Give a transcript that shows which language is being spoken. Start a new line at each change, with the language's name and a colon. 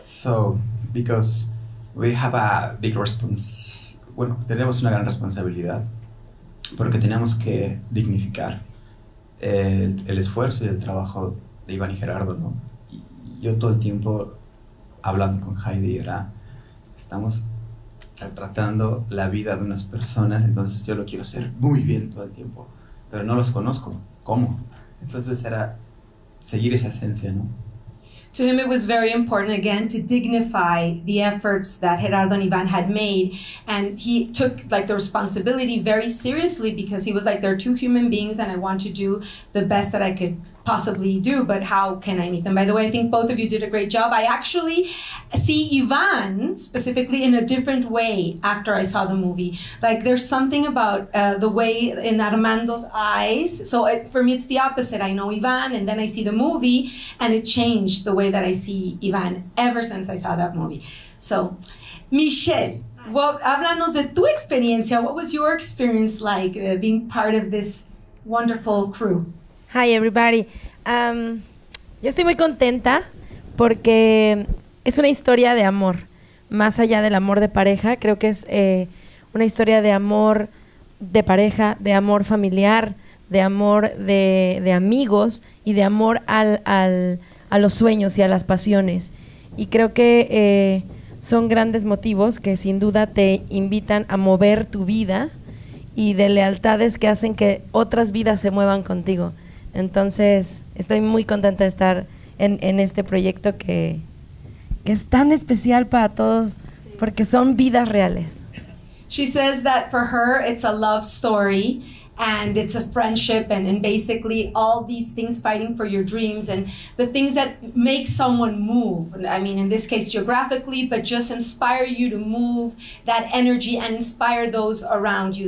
Spanish: So, because we have a big response, bueno, tenemos una gran responsabilidad, porque tenemos que dignificar el esfuerzo y el trabajo de Iván y Gerardo, ¿no? Y yo todo el tiempo hablando con Heidi, era, estamos retratando la vida de unas personas, entonces yo lo quiero hacer muy bien todo el tiempo, pero no los conozco, ¿cómo? Entonces era seguir esa esencia, ¿no?
English: To him it was very important, again, to dignify the efforts that Gerardo and Iván had made, and he took like the responsibility very seriously, because he was like, they're two human beings and I want to do the best that I could possibly do, but how can I meet them? By the way, I think both of you did a great job. I actually see Iván specifically in a different way after I saw the movie. Like, there's something about the way in Armando's eyes. So it, for me, it's the opposite. I know Iván and then I see the movie and it changed the way that I see Iván ever since I saw that movie.
Spanish: So, Michelle, well, háblanos de tu experiencia.
English: What was your experience like being part of this wonderful crew? Hi everybody.
Spanish: Yo estoy muy contenta porque es una historia de amor, más allá del amor de pareja. Creo que es una historia de amor de pareja, de amor familiar, de amor de amigos y de amor a los sueños y a las pasiones. Y creo que son grandes motivos que sin duda te invitan a mover tu vida y de lealtades que hacen que otras vidas se muevan contigo. Entonces, estoy muy contenta de estar en este proyecto que es tan especial para todos porque son vidas reales.
English: She says that for her it's a love story and it's a friendship, and basically all these things fighting for your dreams and the things that make someone move. I mean, in this case, geographically, but just inspire you to move that energy and inspire those around you.